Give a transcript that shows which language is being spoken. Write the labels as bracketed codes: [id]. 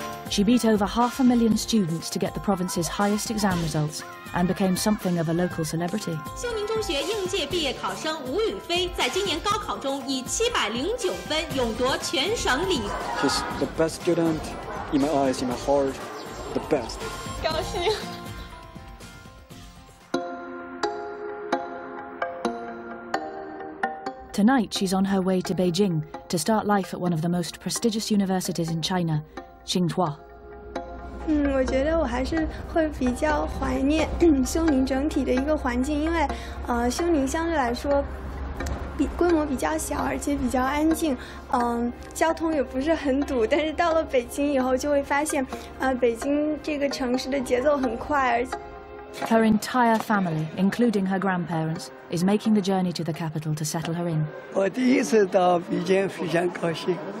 [en] She beat over 500,000 students to get the province's highest exam results and became something of a local celebrity. [zh] Suning 中学应届毕业考生吴宇飞在今年高考中以709分勇夺全省理。 [en] She's the best student in my eyes, in my heart, the best. [zh] 高兴。 [en] Tonight, she's on her way to Beijing to start life at one of the most prestigious universities in China, Tsinghua. [zh] 我觉得我还是会比较怀念休宁整体的一个环境，因为，休宁相对来说，规模比较小，而且比较安静，交通也不是很堵。但是到了北京以后，就会发现，北京这个城市的节奏很快，而且。 [en] Her entire family, including her grandparents, is making the journey to the capital to settle her in. [zh] 我第一次到北京，非常高兴。